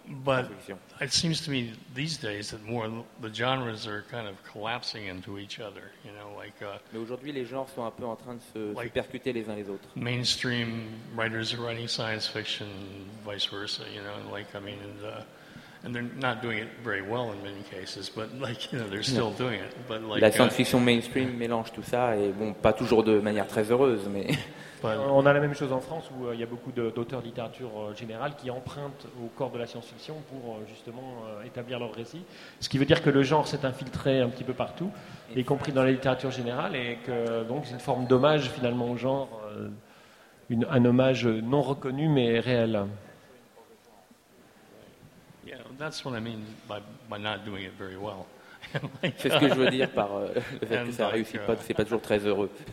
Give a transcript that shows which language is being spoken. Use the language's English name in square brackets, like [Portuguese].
[English] But it seems to me these days that more the genres are kind of collapsing into each other. You know, like. [French] Mais aujourd'hui, les genres sont un peu en train de se percuter les uns les autres. [English] Mainstream writers are writing science fiction, vice versa. You know, like I mean, and they're not doing it very well in many cases, but like, you know, they're still doing it. But like, [French] la science-fiction mainstream mélange tout ça, et bon, pas toujours de manière très heureuse, mais... On a la même chose en France, où il y a beaucoup d'auteurs de littérature générale qui empruntent au corps de la science-fiction pour justement établir leur récit. Ce qui veut dire que le genre s'est infiltré un petit peu partout, y compris dans la littérature générale, et que donc c'est une forme d'hommage finalement au genre, un hommage non reconnu mais réel. [English] That's what I mean by not doing it very well. [French] Like, c'est ce que je veux dire par le fait que ça ne réussit pas, c'est pas toujours très heureux.